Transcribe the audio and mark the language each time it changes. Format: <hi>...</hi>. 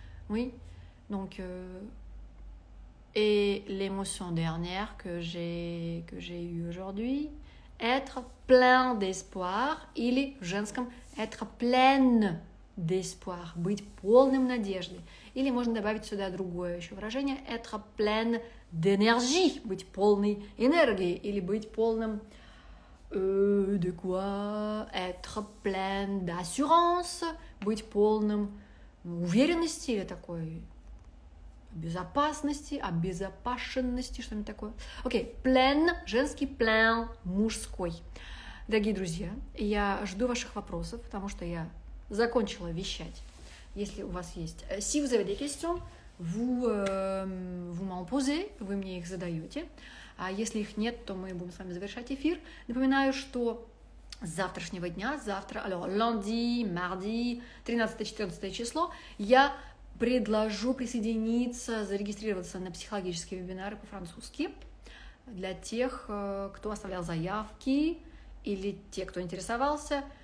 <fr>Oui, donc et l'émotion dernière que j'ai eue aujourd'hui, être plein d'espoir.</fr> <ru>Или в женском</ru> <fr>être pleine d'espoir,</fr> <ru>быть полным надежды. Или можно добавить сюда другое еще выражение,</ru> <fr>être pleine d'énergie,</fr> <ru>быть полной энергии. Или быть полным</ru> <fr>de quoi, être pleine d'assurance,</fr> <ru>быть полным уверенности или такой безопасности, обезопасенности, что-нибудь такое. Окей, plein, женский plein, мужской. Дорогие друзья, я жду ваших вопросов, потому что я закончила вещать. Если у вас есть...</ru> <fr>Si vous avez des questions, vous m'en posez,</fr> <ru>вы мне их задаете. А если их нет, то мы будем с вами завершать эфир. Напоминаю, что... С завтрашнего дня, завтра,</ru> <fr>alors, lundi, mardi,</fr> <ru>13-14 число, я предложу присоединиться, зарегистрироваться на психологические вебинары по-французски для тех, кто оставлял заявки или те, кто интересовался.</ru>